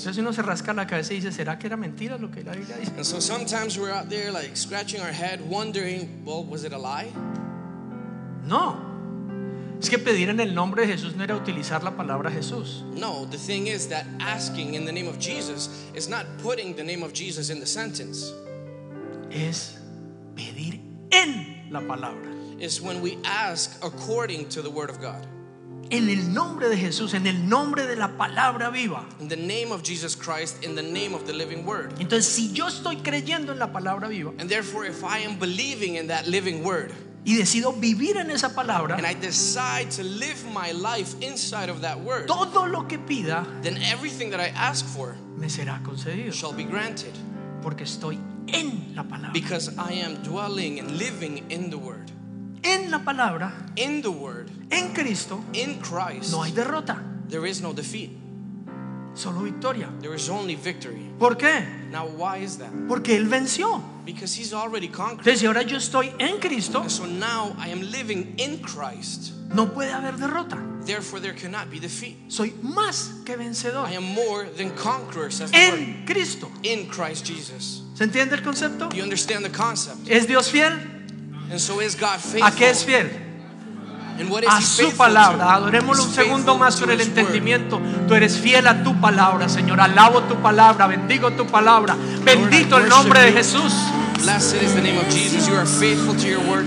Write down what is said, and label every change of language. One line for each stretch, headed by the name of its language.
Spanish: Entonces uno se rasca la cabeza y dice, ¿será que era mentira lo que la Biblia dice?
English: And so sometimes we're out there like scratching our head wondering, well, was it a lie?
Spanish: No. Es que pedir en el nombre de Jesús no era utilizar la palabra Jesús.
English: No, the thing is that asking in the name of Jesus is not putting the name of Jesus in the sentence.
Spanish: Es pedir en la palabra.
English: It's when we ask according to the word of God.
Spanish: En el nombre de Jesús, en el nombre de la palabra viva.
English: In the name of Jesus Christ, in the name of the living word.
Spanish: Entonces, si yo estoy creyendo en la palabra viva,
English: and therefore if I am believing in that living word,
Spanish: y decido vivir en esa palabra,
English: and I decide to live my life inside of that word,
Spanish: todo lo que pida,
English: then everything that I ask for,
Spanish: me será concedido,
English: shall be granted,
Spanish: porque estoy en la palabra,
English: because I am dwelling and living in the word.
Spanish: En la palabra,
English: in the word,
Spanish: en Cristo,
English: in Christ,
Spanish: no hay derrota,
English: there is no defeat,
Spanish: solo victoria,
English: there is only victory.
Spanish: ¿Por qué?
English: Now why is that?
Spanish: Porque él venció.
English: Because he's already conquered.
Spanish: Entonces, ahora yo estoy en Cristo.
English: So now I am living in Christ.
Spanish: No puede haber derrota.
English: Therefore there cannot be defeat.
Spanish: Soy más que vencedor.
English: I am more than conquerors.
Spanish: En Lord. Cristo.
English: In Christ Jesus.
Spanish: ¿Se entiende el concepto?
English: You understand the concept?
Spanish: ¿Es Dios fiel?
English: And so is God faithful.
Spanish: ¿A qué es fiel?
English: And what is
Spanish: a su palabra. Adorémoslo un segundo más sobre el entendimiento. Tú eres fiel a tu palabra, Señor. Alabo tu palabra, bendigo tu palabra. Bendito el nombre de Jesús.
English: Blessed is the name of Jesus. You are faithful to your word,